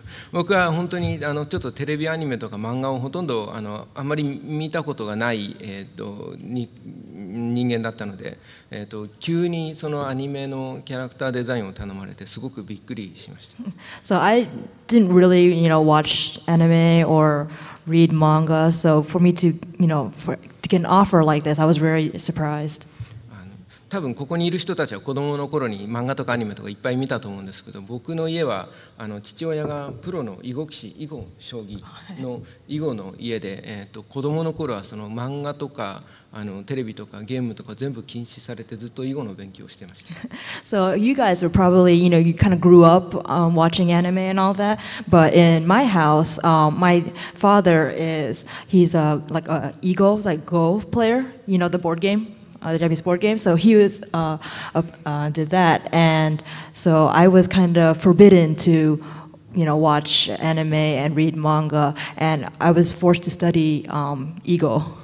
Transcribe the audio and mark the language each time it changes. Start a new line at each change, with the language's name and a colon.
Japanese: 僕は本当にちょっとテレビアニメとか漫画をほとんどあんまり見たことがない、人間だったので、急にそのアニメのキャラクターデザインを頼まれてすごくびっくりしました。
English: So I didn't really, you know, watch anime or read manga. So for me to, you know, to get an offer like this, I was very surprised.
Japanese: 多分ここにいる人たちは子供の頃に漫画とかアニメとかいっぱい見たと思うんですけど、僕の家は父親がプロの囲碁棋士、囲碁将棋の囲碁の家で、子供の頃はその漫画とかテレビとかゲームとか全部禁止されてずっと囲碁の勉強をしてました。
English: So you guys were probably, you know, you kind of grew up watching anime and all that, but in my house, my father is, he's a, like a Ego, like Go player, you know, the board game. The Japanese board game, so he was did that, and so I was kind of forbidden to, you know, watch anime and read manga, and I was forced to study Ego.